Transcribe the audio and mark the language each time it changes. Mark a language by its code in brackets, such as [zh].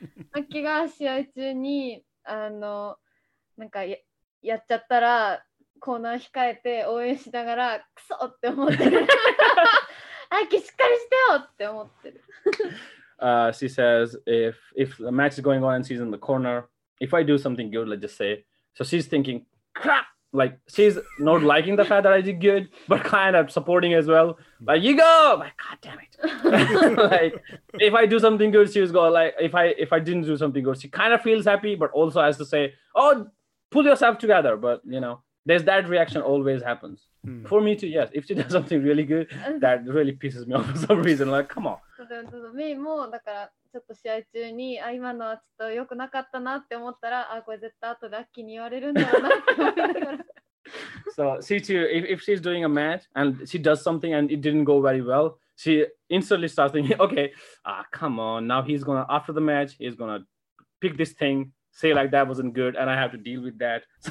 [ja] マッキーが試合中になんか やっちゃったらコーナー控えて応援しながらクソって思ってる。アッキーしっかりしてよって思ってる。 [en] she says if the match is going on and she's in the corner, if I do something good, let's just say, so she's thinking, crap, like she's not liking the fact that I did good, but kind of supporting as well. But you go, like, God damn it. Like, if I do something good, she's go like, if I didn't do something good, she kind of feels happy, but also has to say, oh, pull yourself together. But, you know, there's that reaction always happens. Hmm. For me too, yes. If she does something really good, that really pisses me off for some reason. Like, come on. Me too, [ja] だから。ちょっと試合中に、あ、今のはちょっと良くなかったなって思ったら、あ、これ絶対後でアッキーに言われるんだろうなって思ったから。 [en] So, see too, if she's doing a match and she does something and it didn't go very well, she instantly starts thinking, okay, ah, come on, now he's gonna, after the match, he's gonna pick this thing, say like that wasn't good and I have to deal with that.